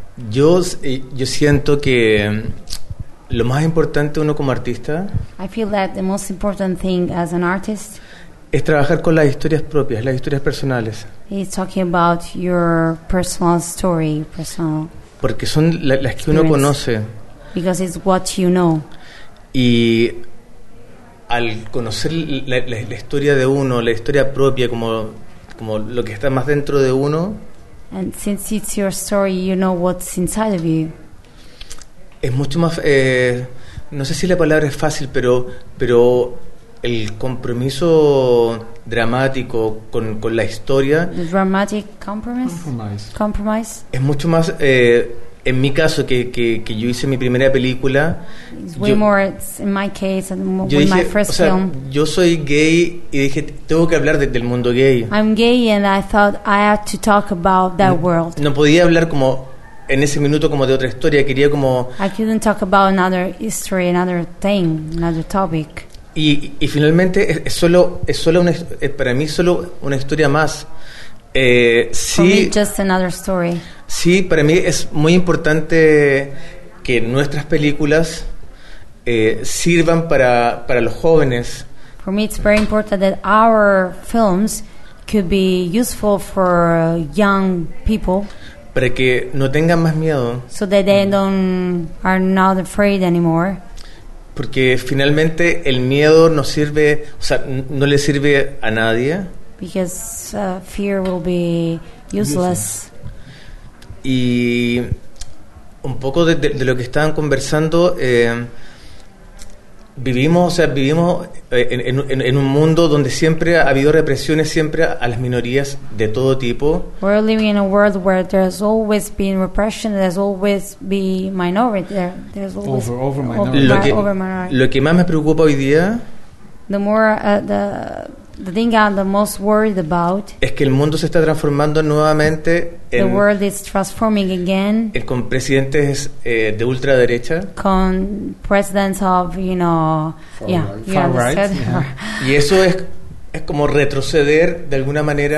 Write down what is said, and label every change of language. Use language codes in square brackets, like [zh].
[es] yo siento que lo más importante uno como artista, [en] I feel that the most important thing as an artist, [es] es trabajar con las historias propias, las historias personales. [en] Is talking about your personal story, personal. [es] Porque son las que uno conoce. [en] Because it's what you know. [es] Y al conocer la historia de uno, la historia propia, como lo que está más dentro de uno. [en] And since it's your story, you know what's inside of you. [es] Es mucho más, no sé si la palabra es fácil, pero el compromiso dramático con la historia. [en] The dramatic compromise. Compromise. [es] Es mucho más, en mi caso que yo hice mi primera película. [en] It's way more in my case and with my first film. [es] Yo soy gay y dije tengo que hablar del mundo gay. [en] I'm gay and I thought I had to talk about that world. [es] No podía hablar como en ese minuto como de otra historia, quería como. [en] I couldn't talk about another history, another thing, another topic. [es] Y finalmente es solo una historia más. Sí, [en] for me, just another story. [es] Sí, para mí es muy importante que nuestras películas sirvan para los jóvenes. [en] For me, it's very important that our films could be useful for young people. [es] Para que no tengan más miedo. [en] So that they don't are not afraid anymore. [es] Porque finalmente el miedo no sirve, o sea, no le sirve a nadie. [en] Because fear will be useless. [es] Y un poco de lo que estaban conversando, vivimos en un mundo donde siempre ha habido represiones siempre a las minorías de todo tipo. [en] We're living in a world where there's always been repression, there's always been minority, there's always over minority. [es] Lo que más me preocupa hoy día, [en] the more the thing I'm the most worried about, [es] es que el mundo se está transformando nuevamente. [en] The world is transforming again. [es] Con presidentes de ultraderecha. Con [en] presidents of, you know, far right. [es] Y eso es como retroceder de alguna manera.